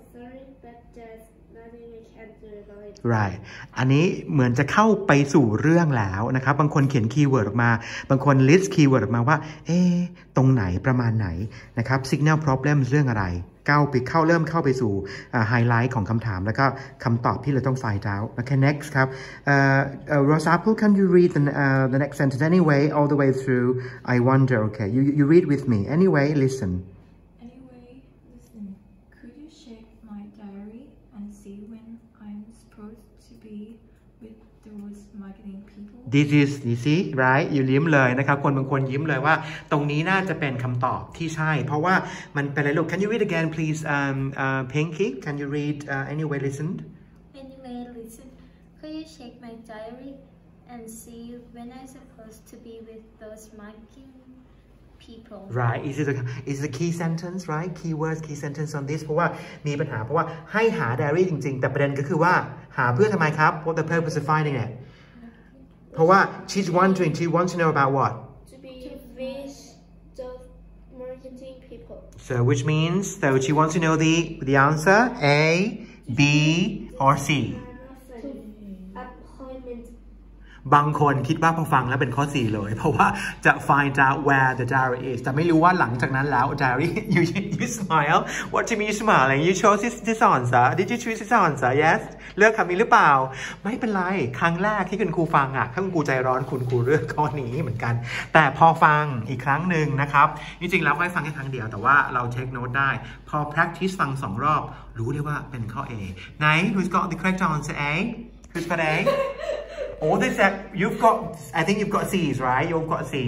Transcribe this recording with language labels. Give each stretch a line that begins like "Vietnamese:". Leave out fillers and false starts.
English: Sorry, but there's nothing I can do about it. Right.
Thai: อันนี้เหมือนจะเข้าไปสู่เรื่องแล้วนะครับบางคนเขียนคีย์เวิร์ดออกมาบางคน list คีย์เวิร์ดออกมาว่าเอ๊ะตรงไหนประมาณไหนนะครับ
English: signal problems
Thai: เรื่องอะไรเข้าไปเข้าไปสู่ไฮไลท์ของคำถามแล้วก็คำตอบที่เราต้อง
English: find out okay next
Thai: ครับ
English: Rose Apple can you read the next sentence anyway all the way through I wonder okay you read with me anyway listen could you check my diary and see when I'm supposed to be with those marketing people this is you see right you
Thai: ยิ้มเลยนะครับคนบางคนยิ้มเลยว่าตรงนี้น่าจะเป็นคำตอบที่ใช่เพราะว่ามันเป็นอะไรลูก
English: Can you read again please Pinky Can you read anyway listen Anyway listen Could you check my diary and see when I'm supposed to be with those marketing people Right is it a key sentence right keywords key sentence on this
Thai: เพราะว่ามีปัญหาเพราะว่าให้หาไดอารี่จริงๆแต่ประเด็นก็คือว่าหาเพื่อทำไมครับ
English: What the purpose of finding itเพราะว่า she's wondering she wants to know about what to be with the marketing people so which means so she wants to know the answer A B or C appointment
Thai: บางคนคิดว่าพอฟังแล้วเป็นข้อ4เลยเพราะว่าจะ
English: find out where the diary is
Thai: แต่ไม่รู้ว่าหลังจากนั้นแล้ว
English: diary you smile what do you smile you chose this answer did you choose this answer yes
Thai: เลือกคำนี้หรือเปล่า ไม่เป็นไรครั้งแรกที่คุณครูฟังอ่ะถ้าคุณครูใจร้อนคุณครูเลือกข้อนี้เหมือนกันแต่พอฟังอีกครั้งนึงนะครับจริงๆแล้วให้ฟังแค่ครั้งเดียวแต่ว่าเราเช็คโน้ตได้พอ practice ฟัง2รอบรู้ได้ว่าเป็นข้อ A ไหน
English: who's got the correct answer A who's got A All this that you've got, I think you've got C's, right? You've got C.